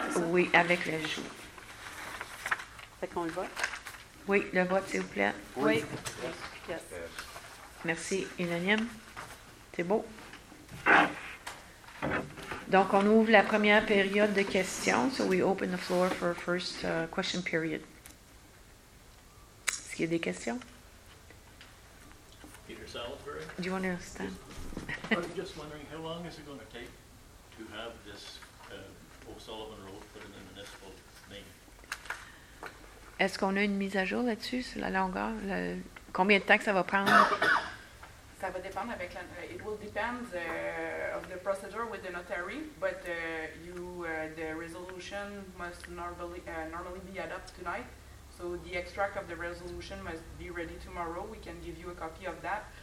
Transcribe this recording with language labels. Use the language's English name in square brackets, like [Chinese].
[French] Oui, avec l'ajout. Fait qu'on le vote? Oui, le vote, s'il vous plaît. Oui. [English] Yes. [French] Merci, unanime. C'est beau. Donc, on ouvre la première période de questions. [English] So, we open the floor for our first question period. [French] Est-ce qu'il y a des questions? Salisbury. [English] Do you want to understand? I'm just wondering, how long is it going to take to have this O'Sullivan Road put in the municipal name? [French] Est-ce qu'on a une mise à jour là-dessus, sur la longueur? Combien de temps que ça va prendre? Ça va dépendre avec la... [English] It will depend of the procedure with the notary, but the resolution must normally be adopted tonight. So the extract of the resolution must be ready tomorrow. We can give you a copy of that.